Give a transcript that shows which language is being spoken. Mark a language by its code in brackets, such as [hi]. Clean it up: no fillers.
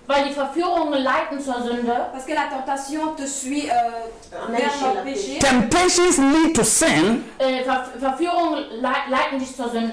[de] Weil die Verführungen leiten zur Sünde. [fr] Parce que la tentation te suit vers le péché. [en] Temptations lead to sin. [de] Verführungen leiten dich zur Sünde.